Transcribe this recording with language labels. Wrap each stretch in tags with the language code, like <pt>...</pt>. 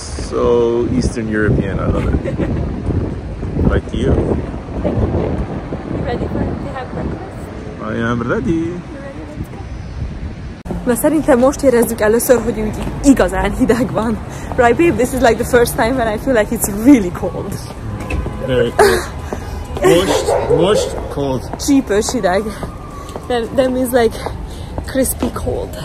<en>So Eastern European, I love it. Like you. You ready to have breakfast? I am ready.</en> <hu>Na szerintem most érezzük először, hogy úgy igazán hideg van.</hu> <en>Right babe, this is like the first time when I feel like it's really cold. Very cold. Most cold.</en> <hu>Csípős hideg.</hu> <en>That means like crispy cold.</en>